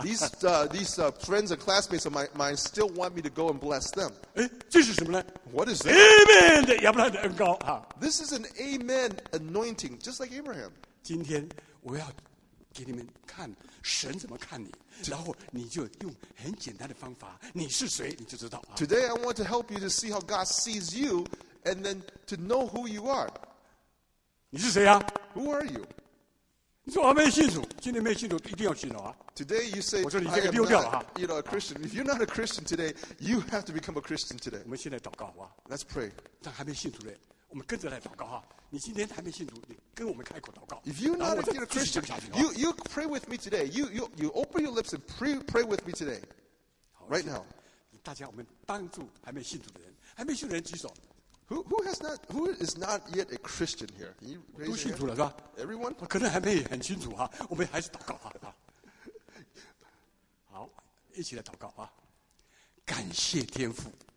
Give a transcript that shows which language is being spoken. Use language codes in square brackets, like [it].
[en] These friends and classmates of mine still want me to go and bless them. [zh] 哎，这是什么呢？ [en] What is that? [zh] Amen 的亚伯拉罕的恩膏啊。 [en] This is an Amen anointing, just like Abraham. [zh] 今天我要给你们看神怎么看你，然后你就用很简单的方法，你是谁你就知道。 [en] Today I want to help you to see how God sees you, and then to know who you are. [zh] 你是谁啊？ [en] Who are you? [zh] 你说我没信主，今天没信主，一定要信主啊 [en] ！Today you say, [zh] 我说你这个丢掉了哈。 [en] You know, a Christian. If you're not a Christian today, you have to become a Christian today. [zh] 我们现在祷告好不好 [en] ？Let's pray. [zh] 但还没信主的，我们跟着来祷告哈。你今天还没信主，你跟我们开口祷告。 [en] If you're not a Christian, you pray with me today. You open your lips and pray with me today, right now. [zh] 大家，我们帮助还没信主的人，还没信主的人举手。 [en] Who is not yet a Christian here? Can you raise [zh] 都信主了是吧 [en] ？Everyone， [zh] 可能还没很清楚哈、啊，我们还是祷告哈、啊。好，一起来祷告啊！感谢天父